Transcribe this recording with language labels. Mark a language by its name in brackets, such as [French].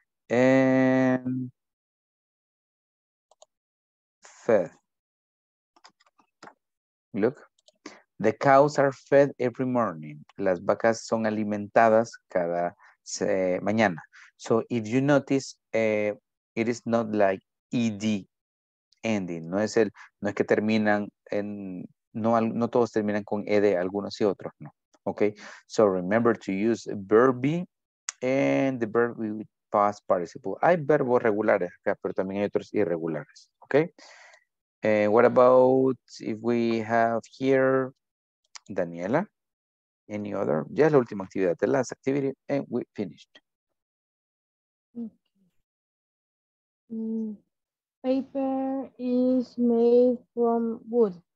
[English] And fed. Look. The cows are fed every morning. [Spanish] Las vacas son alimentadas cada mañana. [English] So if you notice, it is not like ED ending. [Spanish] No es el, no es que terminan en, no, no todos terminan con ED, algunos y otros no. [English] Okay, so remember to use verb be and the verb be with past participle. [Spanish] Hay verbos regulares acá, pero también hay otros irregulares. [English] Okay, what about if we have here Daniela? Any other? [Spanish] Ya es la última actividad, [English] the last activity, and we finished. Paper is made from wood.